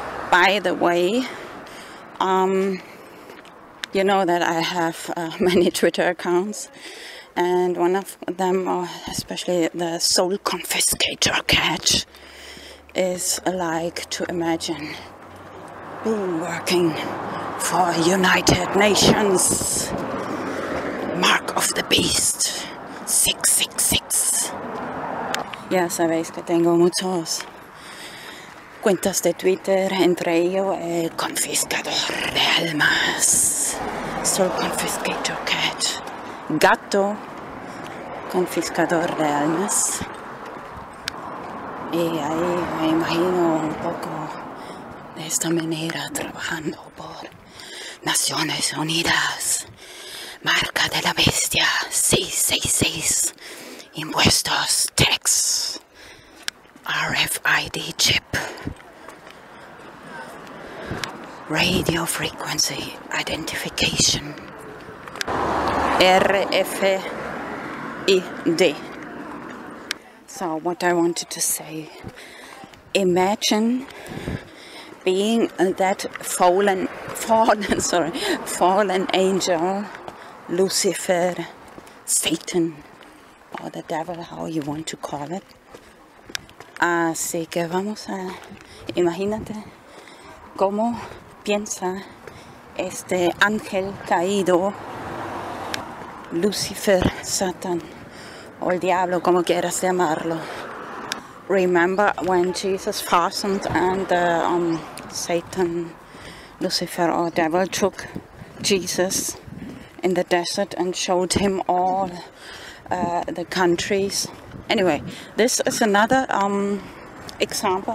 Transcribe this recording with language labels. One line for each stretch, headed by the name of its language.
English: By the way, you know that I have many Twitter accounts, and one of them, especially the soul confiscator catch, is like to imagine being working for United Nations Mark of the Beast 666.
Spanish: Ya sabéis que tengo muchos cuentas de Twitter, entre ellos el confiscador de almas,
English: soul confiscator cat,
Spanish: gato confiscador de almas. Y ahí me imagino un poco de esta manera trabajando por Naciones Unidas, marca de la bestia 666, impuestos, tax, RFID chip, radio frequency identification, RFID.
English: So what I wanted to say, imagine being that fallen angel, Lucifer, Satan, or the devil, how you want to call it.
Spanish: Así que vamos a, imagínate cómo piensa este ángel caído, Lucifer, Satan, o el diablo, como quieras llamarlo.
English: Remember when Jesus fastened and Satan, Lucifer, or devil took Jesus in the desert and showed him all the countries. Anyway, this is another example.